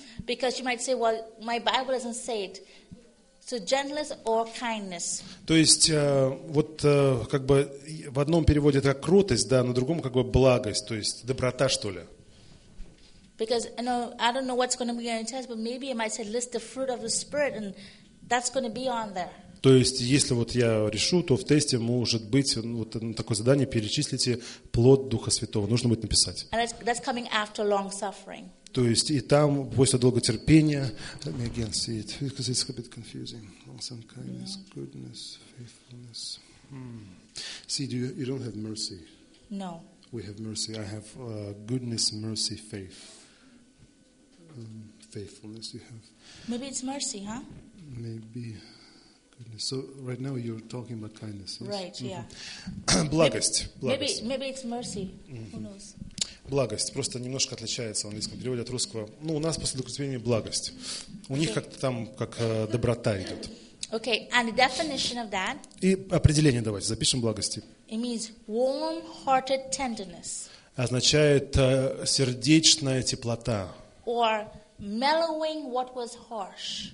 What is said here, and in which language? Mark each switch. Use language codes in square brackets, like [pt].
[en] Because you might say, well, my Bible doesn't say it. So gentleness or kindness. [ru] То есть вот как бы в одном переводе это как кротость, да, на другом как бы благость, то есть доброта, что ли. [en] Because you know, I don't know what's going to be on the test, but maybe I might say list the fruit of the spirit and that's going to be on there. [ru] То есть если вот я решу, то в тесте может быть вот такое задание: перечислите плод Духа Святого. Нужно будет написать. [en] And that's coming after long suffering. [ru] То есть и там после долготерпения. [en] Let me again see it, because it's a bit confusing. Also, kindness, goodness, faithfulness. See, you don't have mercy. No. We have mercy. I have goodness, mercy, faith, faithfulness. You have. Maybe it's mercy, huh? Maybe. So right now you're talking about kindness. Yes? Right. Yeah. [ru] Благость. [en] Maybe it's mercy. Who knows? [ru] Благость просто немножко отличается в английском переводе от русского. Ну, у нас после докупления благость. У них как-то там как доброта идет. [en] Okay. And the definition of that. [ru] И определение давайте запишем благости. [en] It means warm-hearted tenderness. [ru] Означает сердечная теплота. [en] Or mellowing what was harsh.